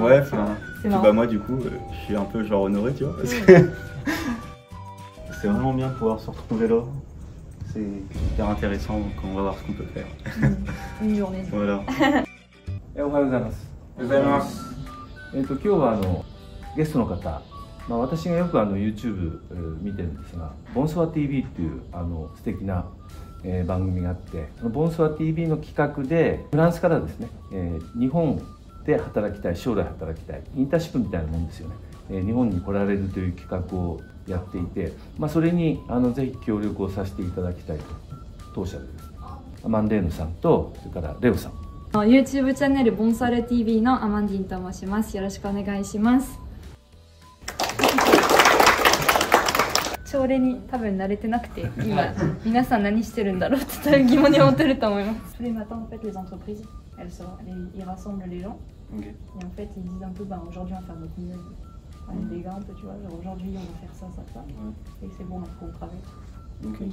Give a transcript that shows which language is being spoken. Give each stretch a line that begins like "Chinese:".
French: ouais, enfin, c'est marrant. Bah, moi, du coup, je suis un peu genre honoré, tu vois. Parce que... C'est vraiment bien de pouvoir se retrouver là. C'est super intéressant, donc on va voir ce qu'on peut faire. Une journée. Voilà. Et au revoir. Au revoir. Et donc, aujourd'hui, les guests sont là.
Japanese: まあ、私がよくYouTube 見てるんですが、ボンソワ TV っていうあの素敵な番組があって、そのボンソワ TV の企画でフランスからですね、日本で働きたい、将来働きたい、インターンシップみたいなもんですよね、日本に来られるという企画をやっていて、まあ、それにぜひ協力をさせていただきたいと、当社でですね、アマンレーヌさんと、それからレオさん。 YouTube チャンネル、ボンソワ TV のアマンディンと申します。よろしくお願いします。朝礼に多分慣れてなくて、今皆さん何してるんだろうって疑問に思ってると思います。
French: Tous les matins, en fait, les entreprises, elles sont, ils rassemblent les gens. Et en fait, ils disent un peu, ben aujourd'hui on va faire notre mieux. On est des gars un peu, tu vois, genre aujourd'hui on va faire ça, ça, ça. Et c'est bon, on peut travailler.